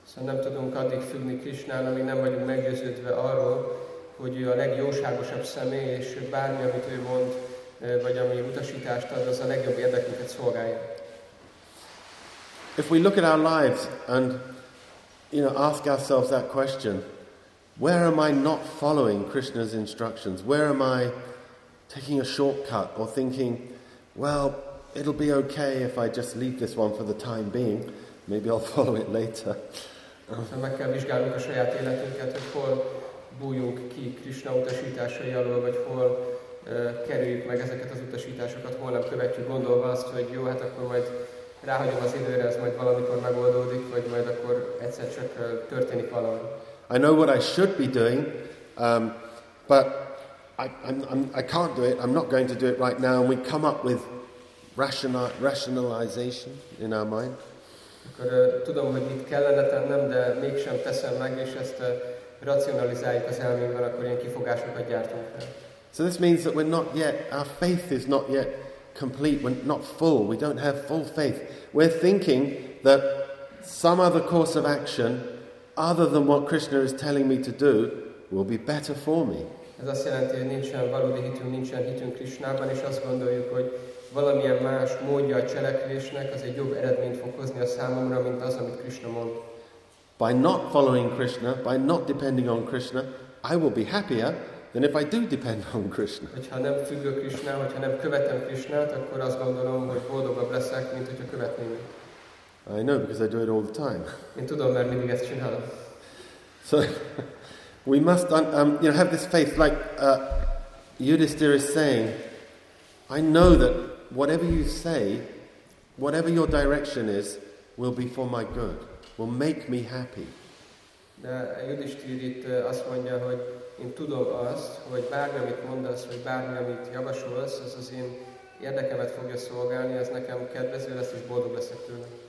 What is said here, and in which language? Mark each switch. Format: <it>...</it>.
<hu>So nem tudunk addig függni Krishnán, amíg nem vagyunk meggyőződve arról, hogy ő a legjóságosabb személy, és bármi, amit ő mond, vagy ami utasítást ad, az a legjobb érdekünket szolgálja.</hu> <en>If we look at our lives and, you know, ask ourselves that question, where am I not following Krishna's instructions? Where am I taking a shortcut or thinking, well, it'll be okay if I just leave this one for the time being, maybe I'll follow it later.</en> <hu>Meg kell vizsgálnunk a saját életünket, hogy hol bújunk ki Krishna utasításai alól, vagy hol kerüljük meg ezeket az utasításokat, hol nem követjük, gondolva azt, hogy jó, hát akkor majd ráhagyom az időre, ez majd valamikor megoldódik, vagy majd akkor egyszer csak történik valami.</hu> <en>I know what I should be doing, but I can't do it. I'm not going to do it right now. And we come up with rationalization in our mind.</en> <hu>Akkor tudom, hogy itt kellene tennem, de mégsem teszem meg, és ezt racionalizáljuk az elménkben, akkor ilyen kifogásokat gyártunk fel.</hu> <en>So this means that we're not yet, our faith is not yet complete, we're not full, we don't have full faith. We're thinking that some other course of action other than what Krishna is telling me to do will be better for me.</en> <hu>Ez azt jelenti, hogy nincsen valódi hitünk, nincsen hitünk Krishnában, és azt gondoljuk, hogy valamilyen más módja a cselekvésnek az egy jobb eredményt fog hozni a számomra, mint az, amit Krishna mond.</hu> <en>By not following Krishna, by not depending on Krishna, I will be happier than if I do depend on Krishna.</en> <hu>Hogyha nem függök Krishna, hogyha nem követem Krishnát, akkor azt gondolom, hogy boldogabb leszek, mint hogyha követném.</hu> <en>I know, because I do it all the time.</en> <hu>Én tudom, mert mindig ezt csinálom.</hu> <en>So, we must have this faith, like Yudhisthira is saying, "I know that whatever you say, whatever your direction is, will be for my good, will make me happy."</en> <hu>De Yudhisthira itt azt mondja, hogy én tudom azt, hogy bármi, amit mondasz, vagy bármi, amit javasolsz, ez az én érdekemet fogja szolgálni, ez nekem kedvező lesz, és boldog leszek tőle.</hu>